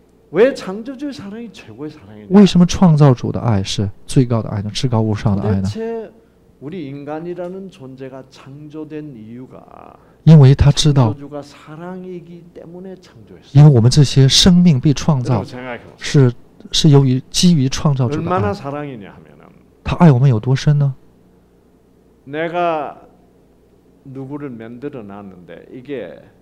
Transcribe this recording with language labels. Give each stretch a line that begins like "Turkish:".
Korean: 왜 창조주의 사랑이 최고의 사랑인가?
Chinese: 为什么创造主的爱是最高的爱呢？至高无上的爱呢？
Korean: 도대체 우리 인간이라는 존재가 창조된 이유가
Chinese: 因为他知道
Korean: 창조주가 사랑이기 때문에 창조했어.
Chinese: 因为我们这些生命被创造是由于基于创造主的爱。
Korean: 얼마나 사랑이냐 하면은
Chinese: 他爱我们有多深呢？
Korean: 내가 누구를 만들어 놨는데 이게